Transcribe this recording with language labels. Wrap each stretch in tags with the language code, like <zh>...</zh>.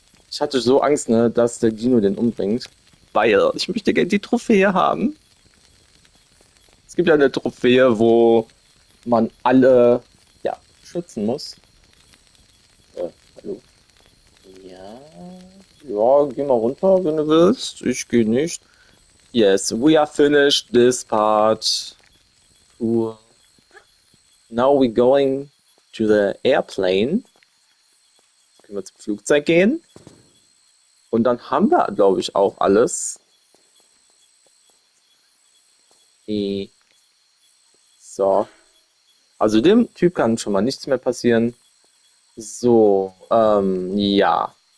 <de>Ich hatte so Angst, ne, dass der Dino den umbringt. Weil ich möchte gerne die Trophäe haben. Es gibt ja eine Trophäe, wo man alle, ja, schützen muss. Hallo. Ja, geh mal runter, wenn du willst. Ich gehe nicht.</de> <en>Yes, we are finished this part. Cool. Now we're going to the airplane.</en> <de>Jetzt können wir zum Flugzeug gehen. Und dann haben wir, glaube ich, auch alles. So. Also dem Typ kann schon mal nichts mehr passieren. So, ja.</de>